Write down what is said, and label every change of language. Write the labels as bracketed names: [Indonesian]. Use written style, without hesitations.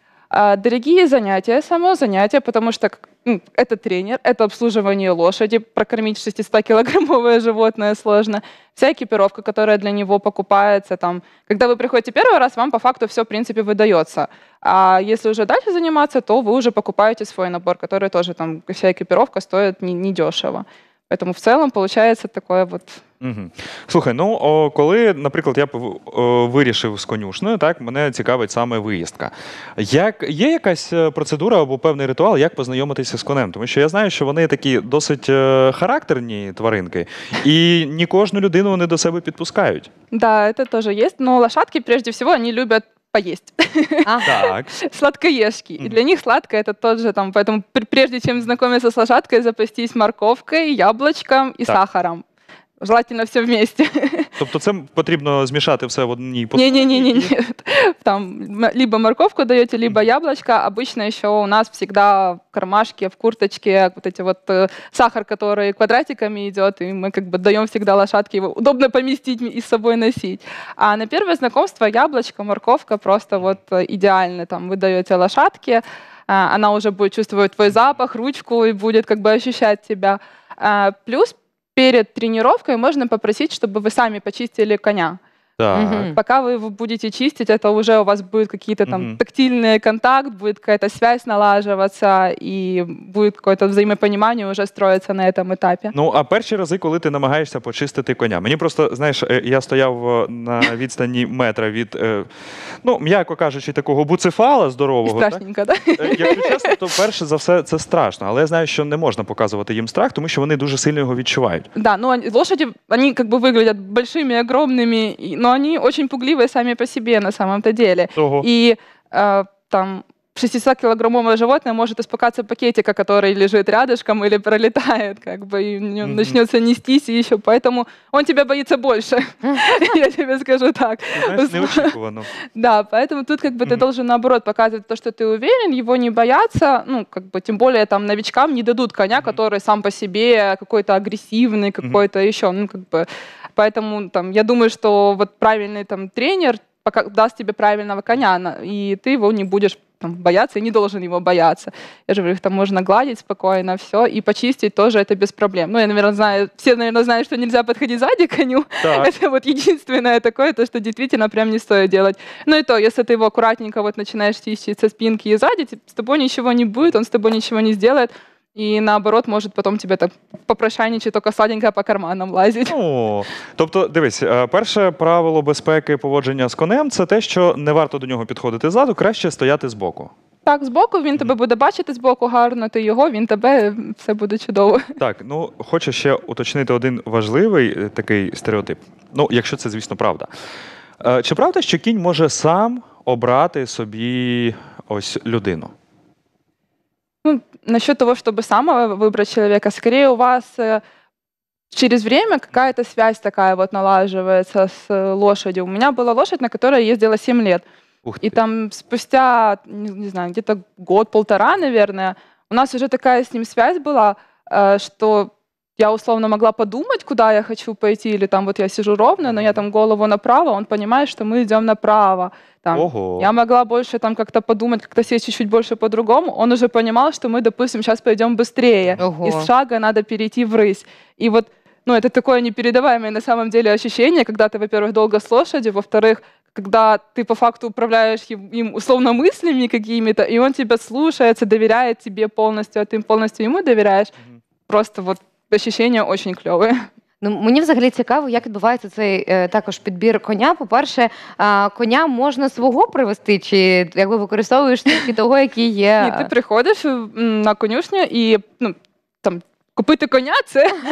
[Russian] Дорогие занятия, само занятие, потому что это тренер, это обслуживание лошади, прокормить 600-килограммовое животное сложно, вся экипировка, которая для него покупается. Там. Когда вы приходите первый раз, вам по факту все, в принципе, выдается. А если уже дальше заниматься, то вы уже покупаете свой набор, который тоже, там, вся экипировка стоит недешево. Поэтому в целом получается такое вот... [Ukrainian] Слухай, коли, наприклад, я вирішив з конюшною, так, мене цікавить саме виїздка. Є якась процедура або певний ритуал, як познайомитися з конем? Тому що я знаю, що вони такі досить характерні тваринки, і не кожну людину вони до себе підпускають. Так, це теж є, але лошадки, [Russian] прежде всего, [Ukrainian] вони люблять [Russian] поесть. Сладкоежки. И для них сладкое это тот же там. Поэтому прежде чем знакомиться с лошадкой, запастись морковкой, яблочком и сахаром. Желательно все вместе. [Ukrainian] Тобто це потрібно змішати все в одній посуді? Ні. Там [Russian] либо морковку [Ukrainian] даєте, [Russian] либо яблочко. Обычно [Ukrainian] ще у нас завжди в кармашці, [Russian] в курточці, вот эти вот сахар, который квадратиками йде, [Ukrainian] і ми [Russian] как бы [Ukrainian] даємо [Russian] всегда лошадки, [Ukrainian] його удобно помістити і з собою [Russian] носить. А на перше знакомство яблочко, морковка просто вот ідеально. [Ukrainian] Там ви даєте лошадки, вона вже буде [Russian] чувствовать твой запах, [Ukrainian] ручку і буде [Russian] как бы ощущать тебя. Плюс перед тренировкой можно попросить, чтобы вы сами почистили коня. Пока вы его будете чистить, это уже у вас будет какие-то там тактильные контакт, будет какая-то связь налаживаться и будет какое-то взаимопонимание уже строиться на этом этапе. [Ukrainian] Ну, а перші рази, коли ти намагаєшся почистити коня? Мені просто, знаєш, я стояв на відстані метра від, ну, м'яко кажучи, такого буцефала здорового. І страшненько, так? Якщо чесно, то перше за все це страшно, але я знаю, що не можна показувати їм страх, тому що вони дуже сильно його відчувають. [Russian] Да, ну, лошаді, [Ukrainian] вони [Russian] как бы выглядят большими, огромными, но они очень пугливые сами по себе на самом-то деле. Ого. И там 600-килограммовое животное может испугаться пакетика, который лежит рядышком или пролетает, как бы, и начнется нестись еще, поэтому он тебя боится больше, я тебе скажу так. Неочекованно. Да, поэтому тут как бы ты должен наоборот показывать то, что ты уверен, его не бояться, ну, как бы, тем более там новичкам не дадут коня, который сам по себе какой-то агрессивный, какой-то еще, ну, как бы, поэтому там, я думаю, что вот правильный там тренер даст тебе правильного коня, и ты его не будешь бояться и не должен его бояться. Я же говорю, их там можно гладить спокойно, все, и почистить тоже это без проблем. Ну, я, наверное, знаю, все, наверное, знают, что нельзя подходить сзади к коню. Так. Это вот единственное такое, то, что действительно прям не стоит делать. Ну и то, если ты его аккуратненько вот начинаешь чистить со спинки и сзади, с тобой ничего не будет, он с тобой ничего не сделает. [Ukrainian] І [Russian] наоборот, [Ukrainian] може потім тебе так попрошайничати, тільки сладенько по карманам лазить. Ну, тобто, дивись, перше правило безпеки поводження з конем – це те, що не варто до нього підходити ззаду, краще стояти збоку. Так, збоку, він тебе буде бачити збоку гарно, ти його, він тебе, все буде чудово. Так, ну, хочу ще уточнити один важливий такий стереотип. Ну, якщо це, звісно, правда. Чи правда, що кінь може сам обрати собі ось людину? [Russian] Ну, насчет того, чтобы сам выбрать человека, скорее у вас через время какая-то связь такая вот налаживается с лошадью. У меня была лошадь, на которой я ездила 7 лет. Ух ты. И там спустя, не знаю, где-то год-полтора, наверное, у нас уже такая с ним связь была, что я условно могла подумать, куда я хочу пойти, или там вот я сижу ровно, но я там голову направо, он понимает, что мы идем направо. Там. Ого. Я могла больше там как-то подумать, как-то сесть чуть-чуть больше по-другому, он уже понимал, что мы, допустим, сейчас пойдем быстрее. Ого. Из шага надо перейти в рысь. И вот, ну, это такое непередаваемое на самом деле ощущение, когда ты, во-первых, долго с лошадью, во-вторых, когда ты по факту управляешь им условно мыслями какими-то, и он тебя слушается, доверяет тебе полностью, а ты полностью ему доверяешь. Угу. Просто вот ощущение очень клевое. [Ukrainian] Ну, мені взагалі цікаво, як відбувається цей також підбір коня. По-перше, коня можна свого привести, чи якби використовуєш тільки того, який є? Ні, ти приходиш на конюшню і, ну, там, купити коня – це…